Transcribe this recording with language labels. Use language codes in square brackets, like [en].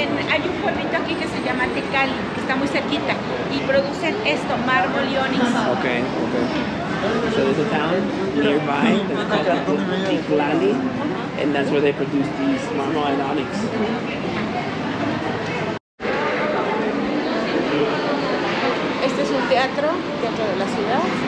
[es] Hay un pueblito aquí que se llama Tecali, que está muy cerquita, y producen esto, mármol y onix. Okay, okay. [en] So there's a town nearby that's called Tecali, and that's where they produce these mármol and onix. [es] Este es un teatro, teatro de la ciudad.